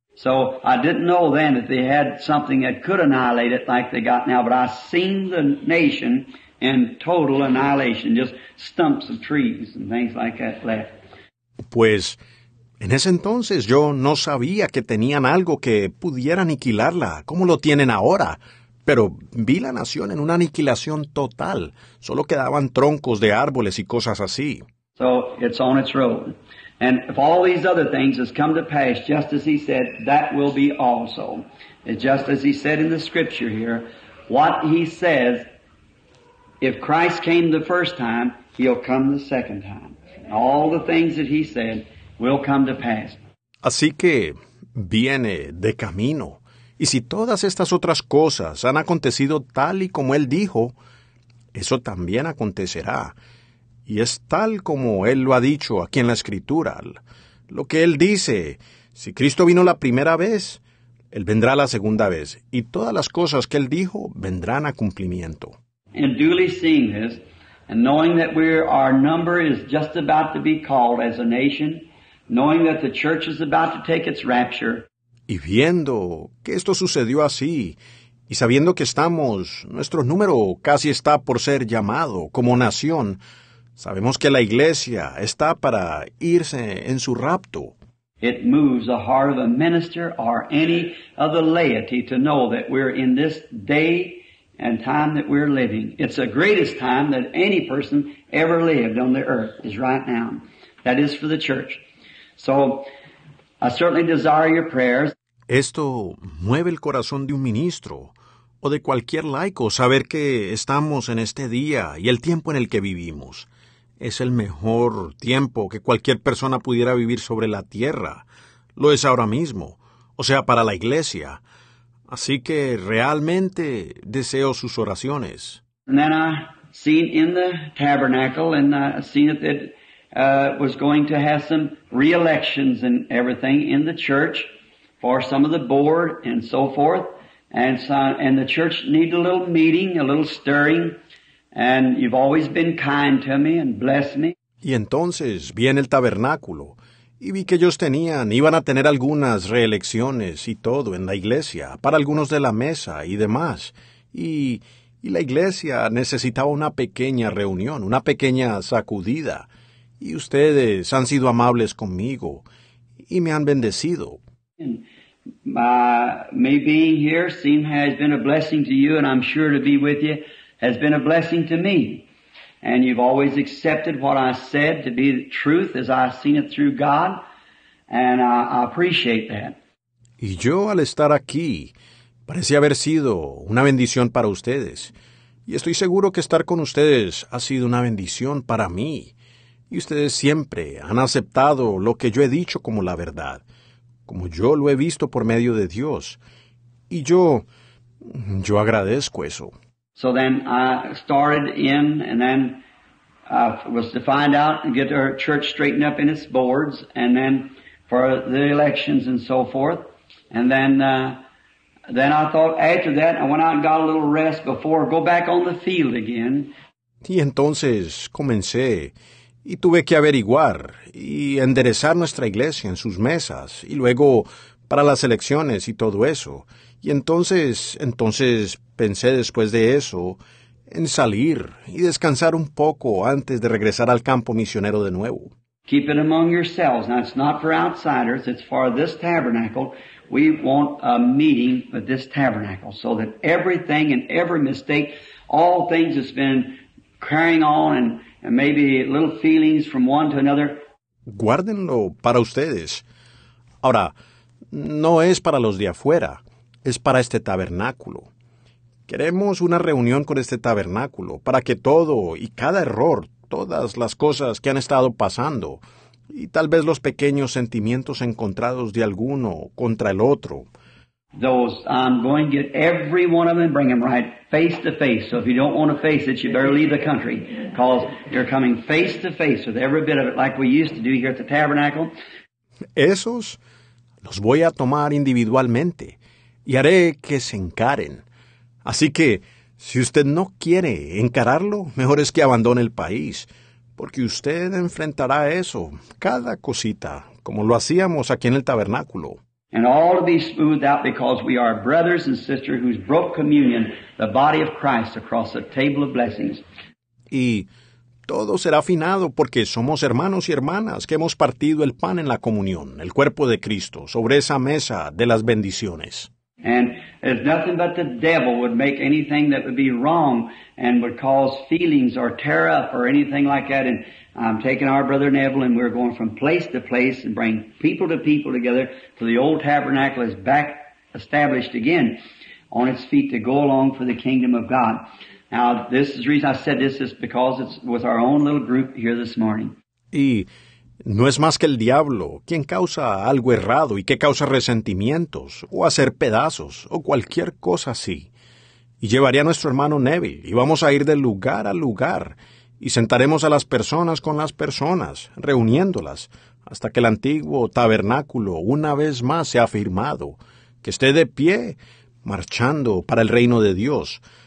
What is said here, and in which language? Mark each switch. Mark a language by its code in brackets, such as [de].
[en] So I didn't know then that they had something that could annihilate it like they got now, but I seen the nation and total annihilation, just stumps of trees and things like that left. [es] Pues, en ese entonces yo no sabía que tenían algo que pudiera aniquilarla, como lo tienen ahora. Pero vi la nación en una aniquilación total. Solo quedaban troncos de árboles y cosas así. [en] So, it's on its road. And if all these other things has come to pass, just as he said, that will be also. It's just as he said in the scripture here, what he says, if Christ came the first time, he'll come the second time. All the things that he said will come to pass. [es] Así que viene de camino. Y si todas estas otras cosas han acontecido tal y como él dijo, eso también acontecerá. Y es tal como él lo ha dicho aquí en la Escritura. Lo que él dice, si Cristo vino la primera vez, él vendrá la segunda vez. Y todas las cosas que él dijo vendrán a cumplimiento. [en] And duly seeing this, and knowing that our number is just about to be called as a nation, knowing that the church is about to take its rapture. [es] Y viendo que esto sucedió así, y sabiendo que nuestro número casi está por ser llamado como nación, sabemos que la iglesia está para irse en su rapto. [en] It moves the heart of a minister or any of the laity to know that we're in this day and time that we're living. It's the greatest time that any person ever lived on the earth is right now. That is for the church. So, I certainly desire your prayers. [es] Esto mueve el corazón de un ministro o de cualquier laico saber que estamos en este día y el tiempo en el que vivimos. Es el mejor tiempo que cualquier persona pudiera vivir sobre la tierra. Lo es ahora mismo, o sea, para la iglesia. Así que realmente deseo sus oraciones. [en] And then I seen in the tabernacle, and I seen that it was going to have some re-elections and everything in the church for some of the board and so forth. And so, and the church needed a little meeting, a little stirring. And you've always been kind to me and blessed me. [es] Y entonces vi en el tabernáculo y vi que ellos iban a tener algunas reelecciones y todo en la iglesia, para algunos de la mesa y demás. Y Y la iglesia necesitaba una pequeña reunión, una pequeña sacudida. Y ustedes han sido amables conmigo y me han bendecido. [en] Me being here seems has been a blessing to you, and I'm sure to be with you has been a blessing to me. And you've always accepted what I said to be the truth as I've seen it through God, and I appreciate that. [es] Y yo al estar aquí parece haber sido una bendición para ustedes, y estoy seguro que estar con ustedes ha sido una bendición para mí. Y ustedes siempre han aceptado lo que yo he dicho como la verdad, como yo lo he visto por medio de Dios. Y yo agradezco eso. [en] So then I started in, and then was to find out and get our church straightened up in its boards, and then for the elections and so forth. And then I thought after that, I went out and got a little rest before go back on the field again. [es] Y entonces comencé. Y tuve que averiguar y enderezar nuestra iglesia en sus mesas, y luego para las elecciones y todo eso. Y entonces pensé después de eso en salir y descansar un poco antes de regresar al campo misionero de nuevo. [en] Keep it among yourselves. Now it's not for outsiders, it's for this tabernacle. We want a meeting with this tabernacle so that everything and every mistake, all things that's been carrying on and maybe little feelings from one to another. [es] Guárdenlo para ustedes. Ahora, no es para los de afuera. Es para este tabernáculo. Queremos una reunión con este tabernáculo para que todo y cada error, todas las cosas que han estado pasando, y tal vez los pequeños sentimientos encontrados de alguno contra el otro. [en] Those, I'm going to get every one of them, bring them right face to face. So if you don't want to face it, you better leave the country, because you're coming face to face with every bit of it, like we used to do here at the tabernacle. [es] Esos los voy a tomar individualmente y haré que se encaren. Así que si usted no quiere encararlo, mejor es que abandone el país, porque usted enfrentará eso, cada cosita, como lo hacíamos aquí en el tabernáculo. [en] And all to be smoothed out because we are brothers and sisters who's broke communion, the body of Christ, across the table of blessings. [es] Y todo será afinado porque somos hermanos y hermanas que hemos partido el pan en la comunión, el cuerpo de Cristo, sobre esa mesa de las bendiciones. [en] And there's nothing but the devil would make anything that would be wrong and would cause feelings or tear up or anything like that. And I'm taking our brother Neville, and we're going from place to place and bring people to people together till the old tabernacle is back established again on its feet to go along for the kingdom of God. Now, this is the reason I said this is because it's with our own little group here this morning. [es] Y no es más que el diablo quien causa algo errado y que causa resentimientos o hacer pedazos o cualquier cosa así. Y llevaré a nuestro hermano Neville y vamos a ir de lugar a lugar y sentaremos a las personas con las personas, reuniéndolas, hasta que el antiguo tabernáculo una vez más sea firmado, que esté de pie, marchando para el reino de Dios.